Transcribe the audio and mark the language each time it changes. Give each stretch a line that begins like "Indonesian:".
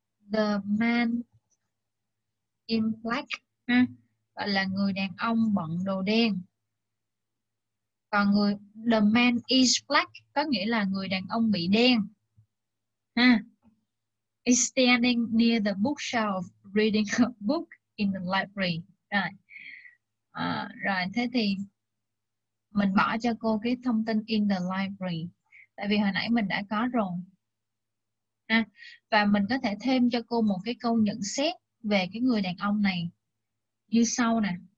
English: The man in black.
Vietnamese: Gọi là người đàn ông bận đồ đen. Còn người
English: the man is black
Vietnamese: có nghĩa là người đàn ông bị đen.
English: Is standing near the bookshelf reading a book in the library.
Vietnamese: Rồi thế thì mình bỏ cho cô cái thông tin
English: in the library,
Vietnamese: tại vì hồi nãy mình đã có rồi. Và mình có thể thêm cho cô một cái câu nhận xét về cái người đàn ông này như sau nè.